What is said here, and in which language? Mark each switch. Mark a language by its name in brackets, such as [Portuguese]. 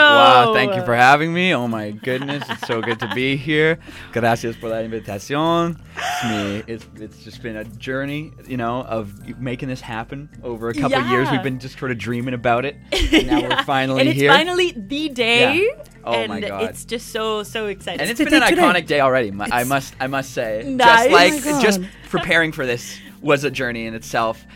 [English] Wow, thank you for having me. Oh my goodness, it's so good to be here. [Spanish] Gracias por la invitación. [English] It's just been a journey, you know, of making this happen over a couple of years. We've been just sort of dreaming about it. And now we're finally and it's here. It's finally the day. Yeah. Oh, and my God. It's just so, so exciting. And it's been an iconic day already, I must say. Nice. Just like, just preparing for this was a journey in itself.